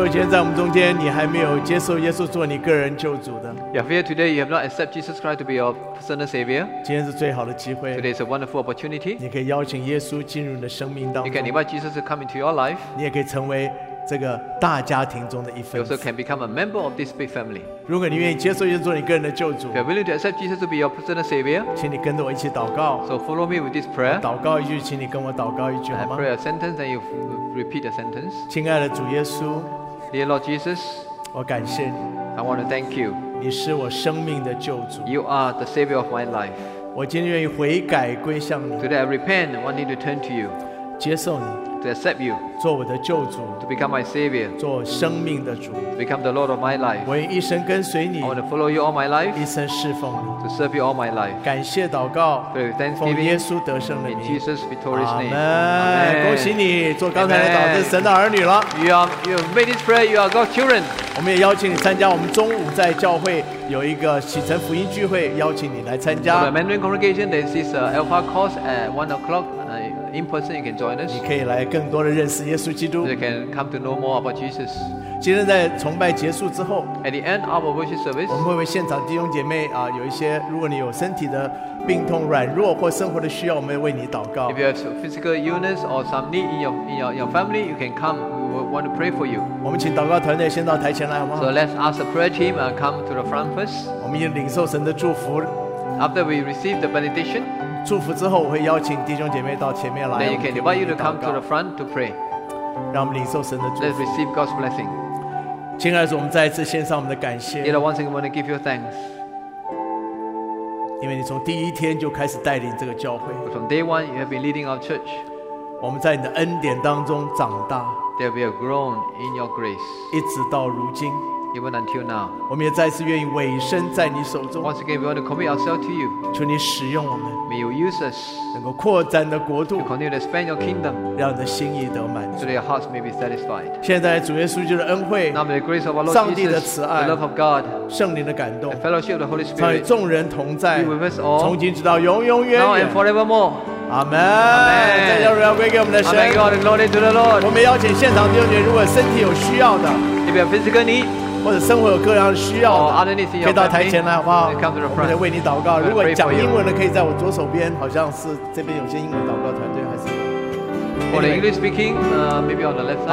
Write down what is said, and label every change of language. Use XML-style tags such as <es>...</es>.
<zh>在我们中间，你还没有接受耶稣做你个人救主的。</zh> <en>If here today you have not accepted Jesus Christ to be your personal savior,</en> <zh>今天是最好的机会。</zh> <en>Today is a wonderful opportunity.</en> <zh>你可以邀请耶稣进入你的生命当中。</zh> <en>You can invite Jesus to come into your life.</en> <zh>你也可以成为这个大家庭中的一份子。</zh> <en>You also can become a member of this big family.</en> <zh>如果你愿意接受耶稣做你个人的救主</zh> <en>，If you're willing to accept Jesus to be your personal savior,</en> <zh>请你跟着我一起祷告。</zh> <en>So follow me with this prayer.</en> <zh>祷告一句，请你跟我祷告一句好吗</zh> <en>？I pray a sentence, and you repeat the sentence.</en> <zh>亲爱的主耶稣。</zh> <en>Dear Lord Jesus,</en> <zh>我感谢你。</zh> <en>I want to thank you.</en> <zh>你是我生命的救主。</zh> <en>You are the savior of my life.</en> <zh>我今天愿意悔改归向你。</zh> <en>Today I repent, wanting to turn to you.</en> <zh>接受你。</zh> <en>To accept you.</en> <zh>做我的救主。</zh> <en>To become my savior.</en> <zh>做生命的主。</zh> <en>Become the Lord of my life.</en> <zh>我愿一生跟随你。</zh> <en>I want to follow you all my life.</en> <zh>一生侍奉你。</zh> <en>To serve you all my life.</en> <zh>感谢祷告。</zh> <en>Pray with thanksgiving.</en> <zh>奉耶稣得胜的名。</zh> <en>In Jesus victorious name.</en> <zh>阿门。恭喜你做刚才的祷告，神的儿女了。</zh> <en>You have made this prayer. You are God's children.</en> <zh>我们也邀请你参加我们中午在教会有一个启程福音聚会，邀请你来参加。</zh> <en>For the Mandarin congregation, there is a Alpha course at 1 o'clock. In person, you can join us.</en> <zh>你可以来更多的认识耶稣基督。</zh> <en>You can come to know more about Jesus.</en> <zh>今天在崇拜结束之后</zh> <en>，At the end of our worship service,</en> <zh>我们会为现场弟兄姐妹啊，有一些如果你有身体的病痛、软弱或生活的需要，我们为你祷告。</zh> <en>If you have physical illness or some need in your family, you can come. We want to pray for you.</en> <zh>我们请祷告团队先到台前来好吗</zh> <en>？So let's ask the prayer team come to the front first.</en> <zh>我们已经领受神的祝福。</zh> <en>After we receive the benediction.</en> <zh>祝福之后，我会邀请弟兄姐妹到前面来。</zh> <en>Then you can invite you to come to the front to pray.</en> <zh>让我们领受神的祝福。</zh> <en>Let's receive God's blessing.</en> <zh>亲爱的主，我们再一次献上我们的感谢。</zh> <en>Dear Lord, once again, I want to give you thanks.</en> <zh>因为你从第一天就开始带领这个教会。</zh> <en>From day one, you have been leading our church.</en> <zh>我们在你的恩典当中长大。</zh> <en>That we have grown in your grace.</en> <zh>一直到如今。</zh> <en>Even until now,</en> <zh>我们也再次愿意委身在你手中。</zh> <en>Once again, we want to commit ourselves to you.</en> <zh>求你使用我们。</zh> <en>May you use us.</en> <zh>能够扩展的国度。</zh> <en>To continue to expand your kingdom.</en> <zh>让你的心意得满足。</zh> <en>So that your hearts may be satisfied.</en> <zh>现在主耶稣基督的恩惠。</zh> <en>Now may the grace of our Lord Jesus.</en> <zh>上帝的慈爱。</zh> <en>The love of God.</en> <zh>圣灵的感动。</zh> <en>The fellowship of the Holy Spirit.</en> <zh>常与众人同在。</zh> <en>Be with us all.</en> <zh>从今直到永永远远。</zh> <en>Now and forevermore.</en> <zh>阿门！再将荣耀归给我们的神。</zh> <en>Amen. God, glory to the Lord.</en> <zh>我们邀请现场弟兄姐妹，如果身体有需要的</zh> <en>，if you physically need，</en> <zh>或者生活有各样的需要的，可以到台前来，好不好？</zh> <en>Come to the front.</en> <zh>我们为你祷告。如果讲英文的，可以在我左手边，好像是这边有些英文祷告团队还是。</zh> <en>For the English speaking, maybe on the left side.</en>